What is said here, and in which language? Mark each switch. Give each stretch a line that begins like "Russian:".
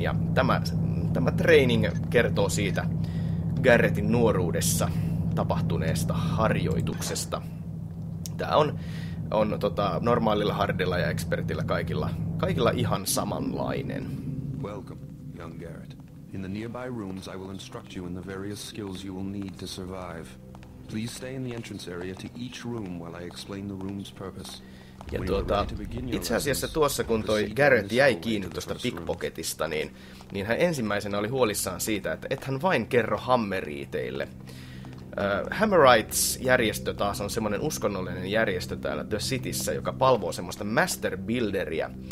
Finnish: Ja tämä training kertoo siitä Garrettin nuoruudessa tapahtuneesta harjoituksesta. Tämä on normaalilla hardilla ja expertillä kaikilla ihan samanlainen.
English: Welcome, young Garrett. In the nearby rooms I will instruct you in the various skills you will need to survive. Please stay in the entrance area to each room while I explain the room's purpose.
Finnish: Ja itse asiassa tuossa, kun toi Garrett jäi kiinni tuosta pickpocketista, niin hän ensimmäisenä oli huolissaan siitä, että et hän vain kerro hammeriiteille. Hammerites-järjestö taas on semmoinen uskonnollinen järjestö täällä The Cityssä, joka palvoo semmoista Master Builderia.